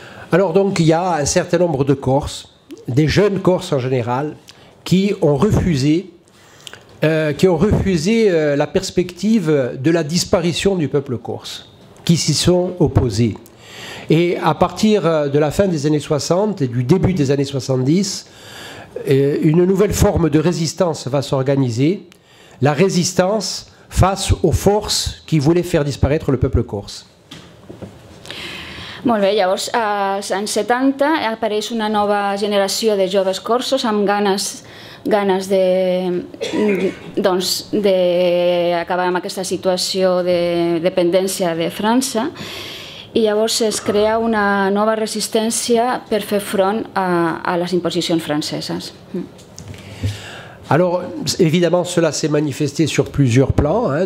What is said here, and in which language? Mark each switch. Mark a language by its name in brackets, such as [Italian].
[French] Alors donc il y a un certain nombre de Corses, des jeunes Corses en général, qui ont refusé la perspective de la disparition du peuple corse, qui s'y sont opposés. Et à partir de la fin des années 60 et du début des années 70, une nouvelle forme de résistance va s'organiser, la résistance face aux forces qui voulaient faire disparaître le peuple corse. [Catalan] Molt bé, llavors, als anys 70 apareix una nova generació de joves corsos amb ganes de doncs, d'acabar amb aquesta situació de dependència de França. I llavors es crea una nova resistència per fer front a les imposicions franceses. [French] Alors, évidemment, cela s'est manifesté sur plusieurs plans. Hein.